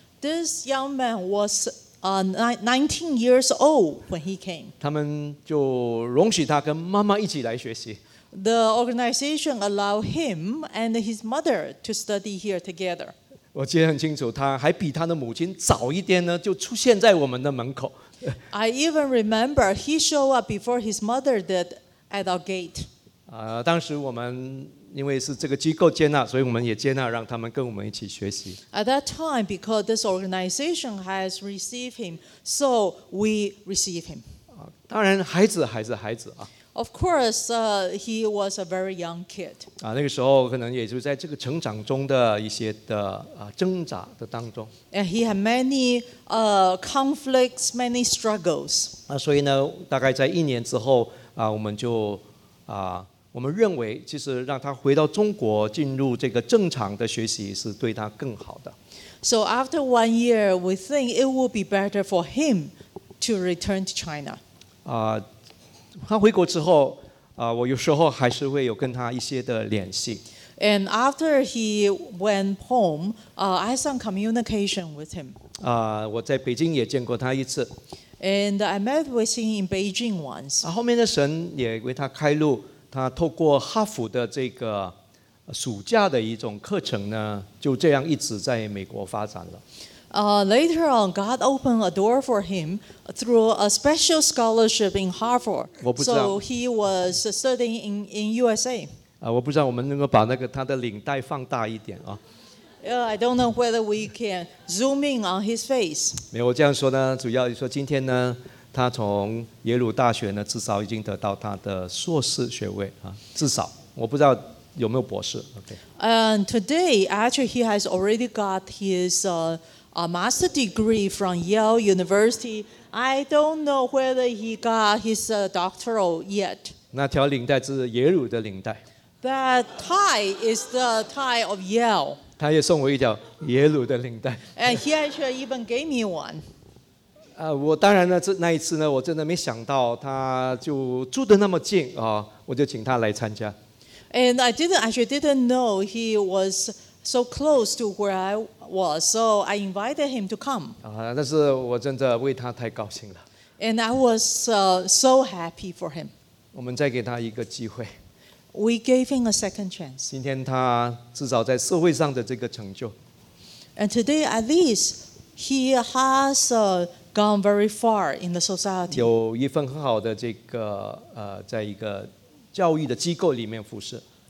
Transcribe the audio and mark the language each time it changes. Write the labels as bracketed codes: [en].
[en] This young man was 19 years old when he came. [zh] 他们就容许他跟妈妈一起来学习。 [en] The organization allowed him and his mother to study here together. [zh] 我记得很清楚，他还比他的母亲早一点呢，就出现在我们的门口。 [en] I even remember he showed up before his mother did at our gate. [zh] 当时我们因为是这个机构接纳，所以我们也接纳，让他们跟我们一起学习。 [en] At that time, because this organization has received him, so we receive him. [zh] 当然，孩子还是孩子啊。 [en] Of course, he was a very young kid. [zh] 那个时候可能也就在这个成长中的一些的挣扎的当中。 [en] And he had many conflicts, many struggles. [zh] 所以呢，大概在一年之后我们就我们认为其实让他回到中国进入这个正常的学习是对他更好的。 [en] So after one year, we think it would be better for him to return to China. [zh] 他回国之后我有时候还是会有跟他一些的联系。 [en] And after he went home, I had some communication with him. [zh] 我在北京也见过他一次。 [en] And I met with him in Beijing once. [zh] 后面的神也为他开路，他透过哈佛的这个暑假的一种课程呢，就这样一直在美国发展了。 [en] Later on, God opened a door for him through a special scholarship in Harvard. [zh] 我不知道。 [en] So he was studying in USA. [zh] 我不知道我们能够把那个他的领带放大一点啊。 [en] I don't know whether we can zoom in on his face. [zh] 没有，我这样说呢，主要说今天呢，他从耶鲁大学呢，至少已经得到他的硕士学位啊，至少我不知道有没有博士 [en] today, actually, he has already got his a master degree from Yale University. I don't know whether he got his doctoral yet. [zh] 那条领带是耶鲁的领带。 [en] That tie is the tie of Yale. [zh] 他也送我一条耶鲁的领带。 [en] And he actually even gave me one. [zh] 我当然呢，那一次呢，我真的没想到他就住得那么近啊，我就请他来参加。 [en] And I didn't know he was so close to where I was, so I invited him to come. [zh] 但是我真的为他太高兴了。 [en] And I was so happy for him. [zh] 我们再给他一个机会。 [en] We gave him a second chance. [zh] 今天他至少在社会上的这个成就。 [en] And today, at least, he has gone very far in the society. [zh] 有一份很好的这个在一个教育的机构里面服侍。